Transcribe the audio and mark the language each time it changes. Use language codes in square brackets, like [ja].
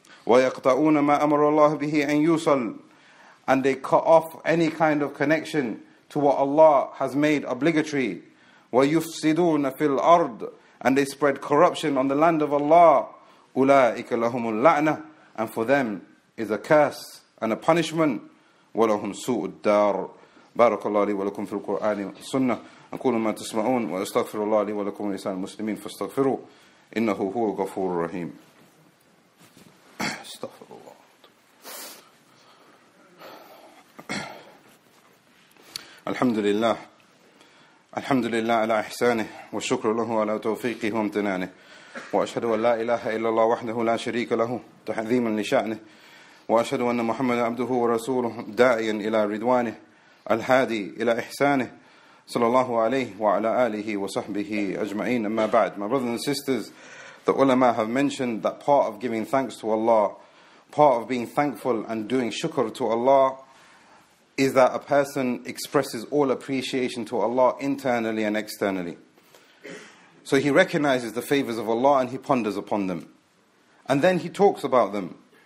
[ar] وَيَقْطَعُونَ مَا أَمَرَ اللَّهُ بِهِ أَنْ يُوصَلُ, [en] and they cut off any kind of connection to what Allah has made obligatory. [ar] وَيُفْسِدُونَ فِي الْأَرْضِ, [en] and they spread corruption on the land of Allah. [ar] أُولَٰئِكَ لَهُمُ اللَّعْنَةُ, [en] and for them is a curse and a punishment. [ar] وَلَهُمْ سُوءُ الدَّارِ. بارك الله لي ولكم في القرآن والسنة أقول ما تسمعون وأستغفر الله لي ولكم ولسائر المسلمين فاستغفروا إنه هو الغفور الرحيم. استغفر الله. الحمد لله, الحمد لله على إحسانه, والشكر له على توفيقه وامتنانه, وأشهد أن لا إله إلا الله وحده لا شريك له تعظيما لشأنه, وأشهد أن محمد عبده ورسوله داعيا إلى رضوانه الهادي إلى إحسانه صلى الله عليه وعلى آله وصحبه أجمعين. أما بعد, [en] my brothers and sisters, the ulama have mentioned that part of giving thanks to Allah, part of being thankful and doing shukr to Allah, is that a person expresses all appreciation to Allah internally and externally. So he recognizes the favors of Allah and he ponders upon them. And then he talks about them.